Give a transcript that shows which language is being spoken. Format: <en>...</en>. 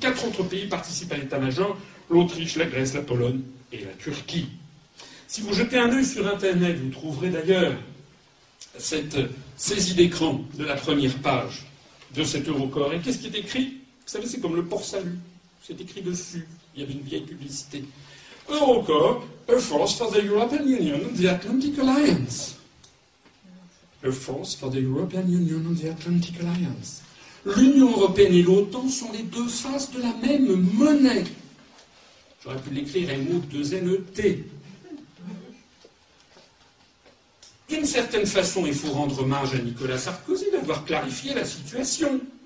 <fr>4 autres pays participent à l'état-major, l'Autriche, la Grèce, la Pologne et la Turquie. Si vous jetez un œil sur Internet, vous trouverez d'ailleurs cette saisie d'écran de la première page de cet Eurocorps. Et qu'est-ce qui est écrit? Vous savez, c'est comme le port salut. C'est écrit dessus. Il y avait une vieille publicité.</fr> <en>Eurocorps, a force for the European Union and the Atlantic Alliance. A force for the European Union and the Atlantic Alliance.</en> <fr>L'Union européenne et l'OTAN sont les deux faces de la même monnaie. J'aurais pu l'écrire M-O-2-N-E-T. D'une certaine façon, il faut rendre hommage à Nicolas Sarkozy d'avoir clarifié la situation.</fr>